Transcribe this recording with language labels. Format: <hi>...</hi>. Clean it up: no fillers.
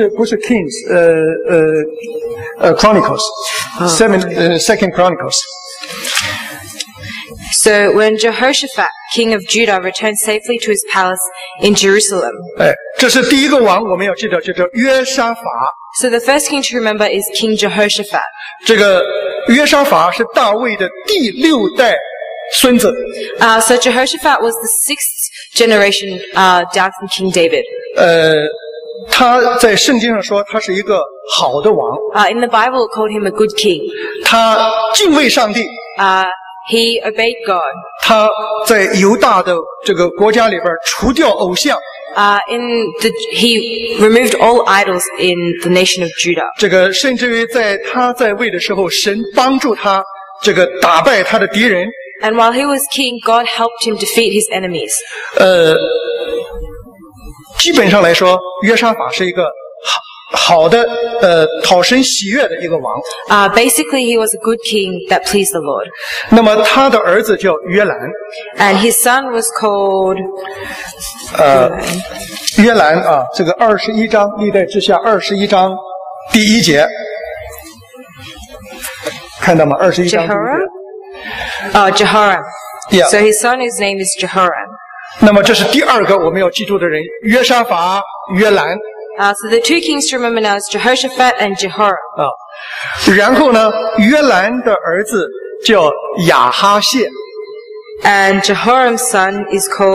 <zh>不是</zh> <en>Kings, Chronicles. Second Chronicles. So when Jehoshaphat, king of Judah, returned safely to his palace in Jerusalem.</en> <zh>这是第一个王，我们要记得，叫约沙法。</zh> <en>So the first king to remember is King Jehoshaphat.</en> <zh>这个约沙法是大卫的第六代孙子。</zh> <en>So Jehoshaphat was the sixth generation down from King David.</en> <zh>他在圣经上说他是一个好的王。</zh> <en>In the Bible, it called him a good king.</en> <zh>他敬畏上帝。</zh> <en>He obeyed God.</en> <zh>他在犹大的这个国家里边除掉偶像。</zh> <en>He removed all idols in the nation of Judah.</en> <zh>这个甚至于在他在位的时候，神帮助他这个打败他的敌人。</zh> <en>And while he was king, God helped him defeat his enemies.</en> <zh>基本上来说，约沙法是一个好的讨神喜悦的一个王。</zh> <en>Basically he was a good king that pleased the Lord.</en> <zh>那么他的儿子叫约兰。</zh> <en>And his son was called</en> <zh>约兰啊，这个二十一章历代志下二十一章第一节看到吗？二十一章第一节。</zh> <en>Jehoram. Yeah. So his son, his name is Jehoram.</en> <zh>那么这是第二个我们要记住的人，约沙法、约兰。</zh> <en>So the two kings to remember now is Jehoshaphat and Jehoram.</en> <zh>然后呢，约兰的儿子叫亚哈谢。</zh> <en>And Jehoram's son is called.</en>